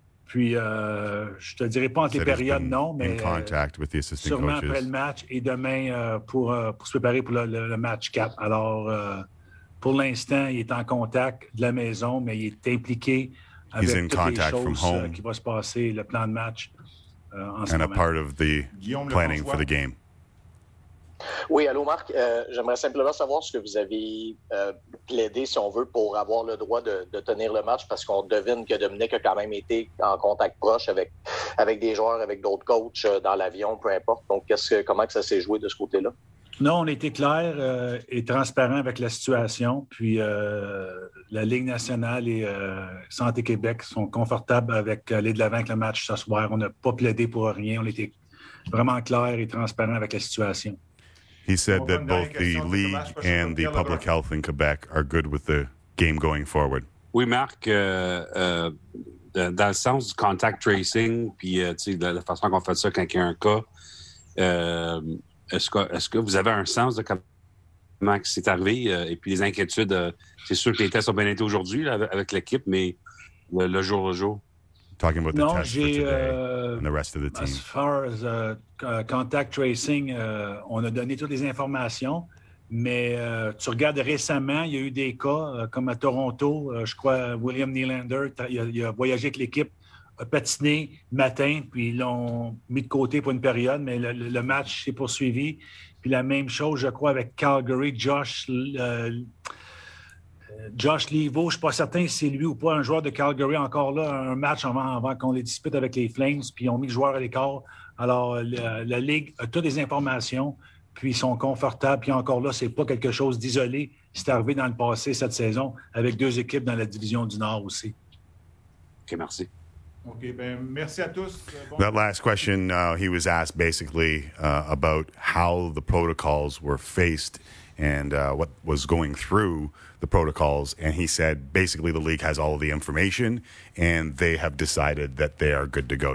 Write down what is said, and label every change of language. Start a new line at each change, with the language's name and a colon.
French: Puis, je te dirai pas entre les périodes, non, mais sûrement après le match et demain pour se préparer pour le match 4. Alors, pour l'instant, il est en contact de la maison, mais il est impliqué
English: He's in contact from home.
French: Qui va se passer, le plan de match,
English: and a part of the Guillaume planning for the game.
French: Oui, allô Marc. J'aimerais simplement savoir ce que vous avez plaidé, si on veut, pour avoir le droit de tenir le match, parce qu'on devine que Dominique a quand même été en contact proche avec des joueurs, avec d'autres coachs dans l'avion, peu importe. Donc, comment que ça s'est joué de ce côté-là? Non, on était clair et transparent avec la situation. Puis la Ligue nationale et Santé Québec sont confortables avec aller de l'avant avec le match ce soir. On n'a pas plaidé pour rien. On était vraiment clair et transparent avec la situation.
English: He said that both the league and the public health in Quebec are good with the game going forward.
French: Oui, Marc, dans le sens du contact tracing, puis tu sais, la façon qu'on fait ça quand il y a un cas, est-ce que vous avez un sens de comment c'est arrivé et puis les inquiétudes? C'est sûr que les tests ont bien été aujourd'hui là, avec l'équipe, mais le jour au jour.
English: Talking about the test for today and the rest of the team. As far as contact tracing,
French: on a donné toutes les informations, mais tu regardes récemment, il y a eu des cas comme à Toronto, je crois William Nylander, il a voyagé avec l'équipe, a patiné matin, puis ils l'ont mis de côté pour une période, mais le match s'est poursuivi. Puis la même chose, je crois, avec Calgary, Josh Liveau, je ne suis pas certain si c'est lui ou pas, un joueur de Calgary encore là, un match avant qu'on les dispute avec les Flames, puis ils ont mis le joueur à l'écart. Alors, la Ligue a toutes les informations, puis ils sont confortables, puis encore là, ce n'est pas quelque chose d'isolé. C'est arrivé dans le passé cette saison avec deux équipes dans la division du Nord aussi. OK, merci. OK, bien, merci à tous.
English: That last question, he was asked basically about how the protocols were faced and what was going through the protocols, and he said basically the league has all of the information and they have decided that they are good to go.